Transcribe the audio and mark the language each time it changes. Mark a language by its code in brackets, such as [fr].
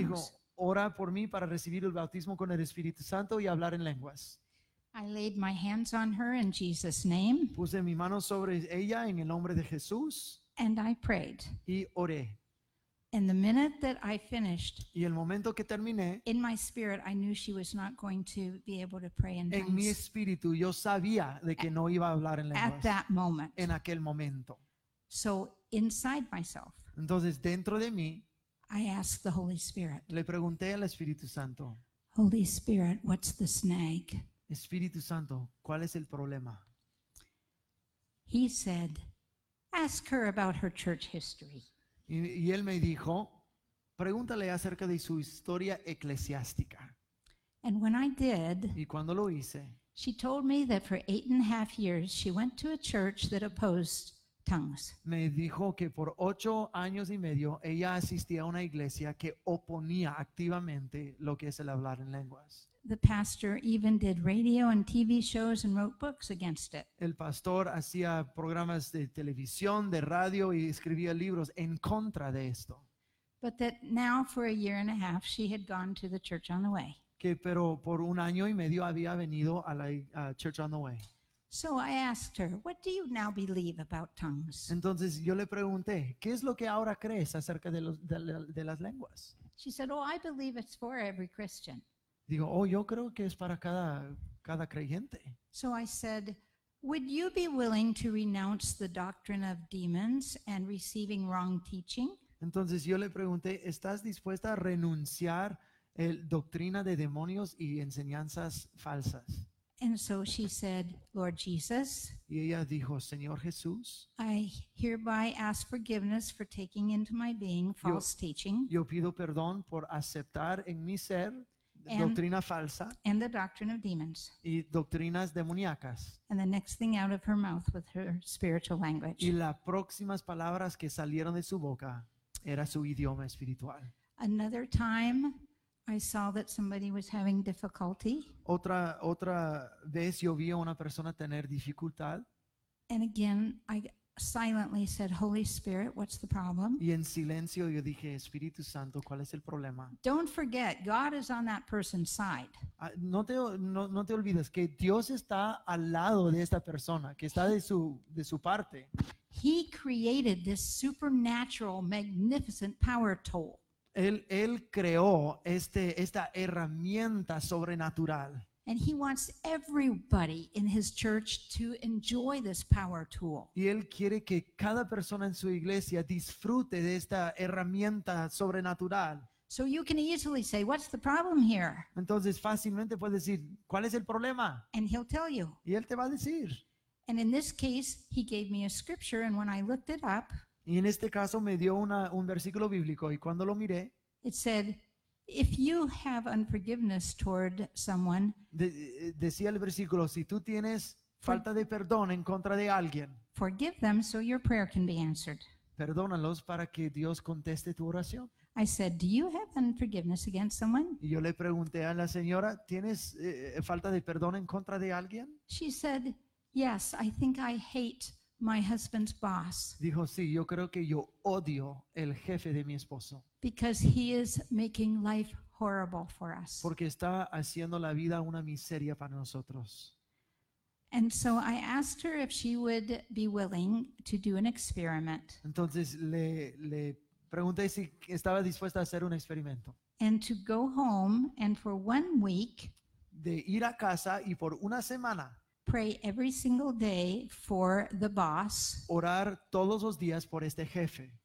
[es] Y dijo, "Ora por mí para recibir el bautismo con el Espíritu Santo y hablar en lenguas." [en] I laid my hands on her in Jesus' name. [es] Puse mi mano sobre ella en el nombre de Jesús. [en] And I prayed. [es] Y oré. [en] And the minute that I finished, [es] y el momento que terminé, [en] in my spirit, I knew she was not going to be able to pray in tongues. [es] En mi espíritu, yo sabía de que no iba a hablar en lenguas. [en] At that moment. [es] En aquel momento. [en] So inside myself, [es] entonces dentro de mí, [en] I asked the Holy Spirit. [es] Le pregunté al Espíritu Santo. [en] Holy Spirit, what's the snag? [es] Espíritu Santo, ¿cuál es el problema? [en] He said, ask her about her church history. [es] Y él me dijo, pregúntale acerca de su historia eclesiástica. [en] And when I did, [es] y cuando lo hice, [en] she told me that for 8.5 years she went to a church that opposed tongues. [es] Me dijo que por 8 años y medio ella asistía a una iglesia que oponía activamente lo que es el hablar en lenguas. [en] The pastor even did radio and TV shows and wrote books against it. [es] El pastor hacía programas de televisión, de radio y escribía libros en contra de esto. [en] But that now for 1.5 years she had gone to the church on the way. [es] Que pero por 1.5 años había venido a la church on the way. [en] So I asked her, what do you now believe about tongues? [es] Entonces yo le pregunté, ¿qué es lo que ahora crees acerca de los de las lenguas? [en] She said, oh, I believe it's for every Christian. [es] Digo, oh, yo creo que es para cada creyente. [en] So I said, would you be willing to renounce the doctrine of demons and receiving wrong teaching? [es] Entonces yo le pregunté, ¿estás dispuesta a renunciar el doctrina de demonios y enseñanzas falsas? [en] And so she said, Lord Jesus, [es] y ella dijo, Señor Jesús, [en] I hereby ask forgiveness for taking into my being false teaching. [es] Yo pido perdón por aceptar en mi ser doctrina falsa [en] and the doctrine of demons [es] y doctrinas demoníacas. [en] And the next thing out of her mouth with her spiritual language, [es] y las próximas palabras que salieron de su boca era su idioma espiritual. [en] Another time I saw that somebody was having difficulty. [es] Otra vez yo vi a una persona tener dificultad. [en] And again I silently said, Holy Spirit, what's the problem? [es] Y en silencio yo dije, Espíritu Santo, ¿cuál es el problema? [en] Don't forget, God is on that person's side. [es] No te olvides que Dios está al lado de esta persona, que está de su parte. [en] He created this supernatural, magnificent power tool. [es] Él creó esta herramienta sobrenatural. [en] And he wants everybody in his church to enjoy this power tool. [es] Y él quiere que cada persona en su iglesia disfrute de esta herramienta sobrenatural. [en] So you can easily say, what's the problem here? [es] Entonces fácilmente puedes decir, ¿cuál es el problema? [en] And he'll tell you. [es] Y él te va a decir. [en] And in this case, he gave me a scripture, and when I looked it up, [es] y en este caso me dio un versículo bíblico, y cuando lo miré, [en] it said, if you have unforgiveness toward someone, [es] decía el versículo, si tú tienes falta de perdón en contra de alguien, [en] forgive them so your prayer can be answered. [es] Perdónalos para que Dios conteste tu oración. [en] I said, do you have unforgiveness against someone? [es] Y yo le pregunté a la señora, ¿tienes falta de perdón en contra de alguien? [en] She said, yes, I think I hate my husband's boss. [es] Dijo, sí, yo creo que yo odio el jefe de mi esposo. [en] Because he is making life horrible for us. [es] Porque está haciendo la vida una miseria para nosotros. [en] And so I asked her if she would be willing to do an experiment. [es] Entonces le pregunté si estaba dispuesta a hacer un experimento. [en] And to go home and for 1 week, [es] de ir a casa y por una semana, [en] pray every single day for the boss, [es] orar todos los días por este jefe,